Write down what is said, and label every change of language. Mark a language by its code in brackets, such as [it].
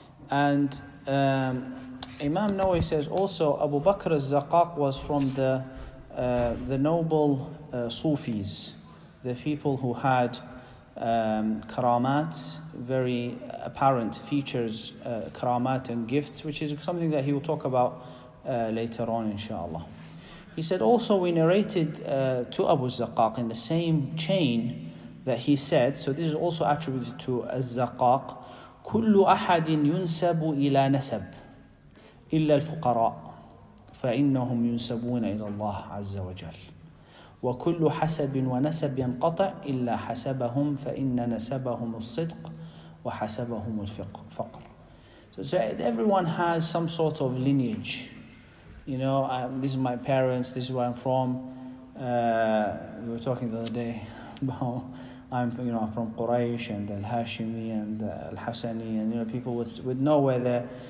[en] And Imam Nawawi says also Abu Bakr al-Zaqaq was from the noble Sufis, the people who had karamat, very apparent features, karamat and gifts, which is something that he will talk about later on, inshallah. He said also, we narrated to Abu Zaqaq in the same chain that he said, so this is also attributed to Az-Zaqqaq, [ar] كل أحد ينسب إلى نسب إلا الفقراء فإنهم ينسبون إلى الله عز وجل وكل حسب ونسب ينقطع إلا حسبهم فإن نسبهم الصدق وحسبهم الفقر. [en] So everyone has some sort of lineage. You know, this is my parents, this is where I'm from. We were talking the other day about I'm from Quraysh and Al-Hashimi and Al-Hasani, and you know, people would know where they're.